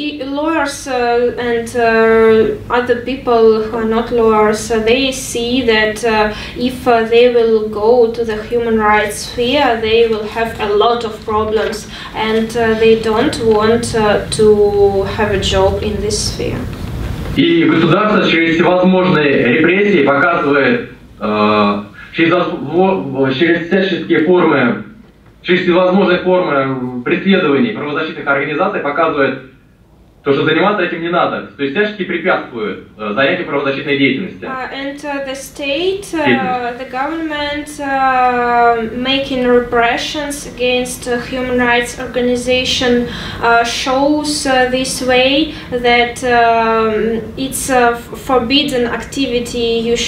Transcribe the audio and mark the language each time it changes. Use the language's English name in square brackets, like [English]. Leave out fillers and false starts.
[English] Lawyers and other people who are not lawyers, they see that if they will go to the human rights sphere, they will have a lot of problems, and they don't want to have a job in this sphere. [Russian] И государство через всевозможные репрессии показывает, через всяческие формы, через всевозможные формы преследований правозащитных организаций показывает то, что заниматься этим не надо. То есть всячески препятствует занятию правозащитной деятельности. [English] And the state, the government making repressions against human rights organization shows this way that it's a forbidden activity.